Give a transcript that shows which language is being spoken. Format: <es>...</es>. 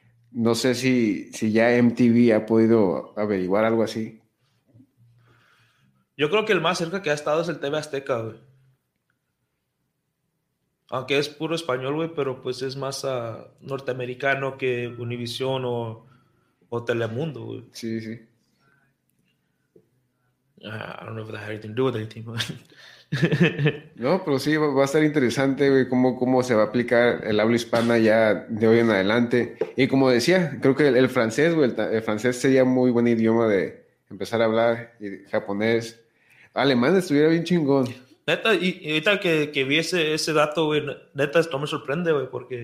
<es>No sé si ya MTV ha podido averiguar algo así. Yo creo que el más cerca que ha estado es el TV Azteca, güey. Aunque es puro español, güey, pero pues es más norteamericano que Univision o Telemundo, güey. Sí, sí.</es> <en>I don't know if that had anything to do with anything, but...</en> <es>No, pero sí, va a estar interesante, güey, cómo se va a aplicar el habla hispana ya de hoy en adelante. Y como decía, creo que el francés, güey, el francés sería muy buen idioma de empezar a hablar japonés. Alemán estuviera bien chingón. Neta, y ahorita que vi ese dato, güey, neta, esto me sorprende, güey, porque...</es>